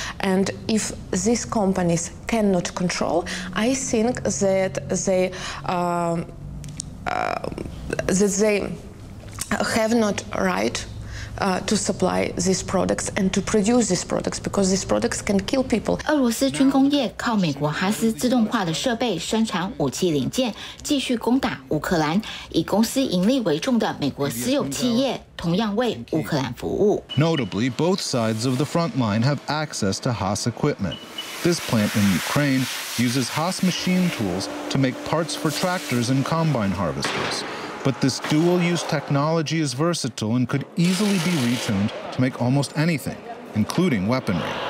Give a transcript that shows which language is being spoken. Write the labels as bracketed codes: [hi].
[en] And if these companies cannot control, I think that they have not right to supply these products and to produce these products, because these products can kill people. [zh] 俄罗斯军工业靠美国哈斯自动化的设备生产武器零件，继续攻打乌克兰。以公司盈利为重的美国私有企业同样为乌克兰服务。 [en] Notably, both sides of the front line have access to Haas equipment. This plant in Ukraine uses Haas machine tools to make parts for tractors and combine harvesters. But this dual-use technology is versatile and could easily be retuned to make almost anything, including weaponry.